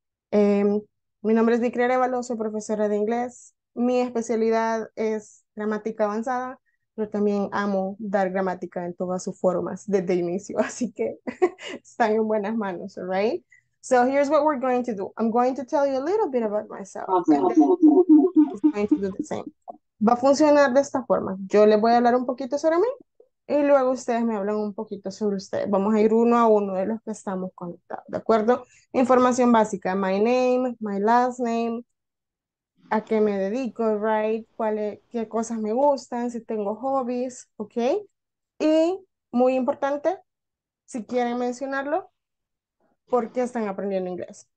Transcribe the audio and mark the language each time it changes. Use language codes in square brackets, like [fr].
[es] Mi nombre es Vicky Arevalo, soy profesora de inglés. Mi especialidad es gramática avanzada, pero también amo dar gramática en todas sus formas desde el inicio, así que están en buenas manos, [en] all right? So here's what we're going to do. I'm going to tell you a little bit about myself, and then he's going to do the same. [es] Va a funcionar de esta forma. Yo les voy a hablar un poquito sobre mí y luego ustedes me hablan un poquito sobre ustedes. Vamos a ir uno a uno de los que estamos conectados, ¿de acuerdo? Información básica, [en] my name, my last name, [es] a qué me dedico, right? Qué cosas me gustan, si tengo hobbies, ¿ok? Y muy importante, si quieren mencionarlo, ¿por qué están aprendiendo inglés?